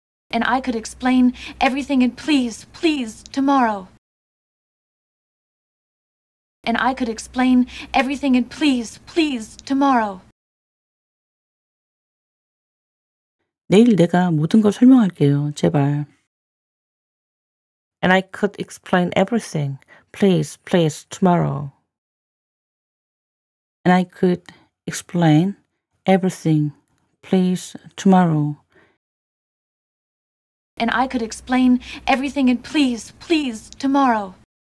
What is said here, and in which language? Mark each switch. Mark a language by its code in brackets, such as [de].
[en] And I could explain everything and please, please, tomorrow. And I could explain everything and please, please, tomorrow. [ko] 내일 내가 모든 걸 설명할게요. 제발. [en] And I could explain everything, please, please, tomorrow. And I could explain everything, please, tomorrow. And I could explain everything and please, please, tomorrow.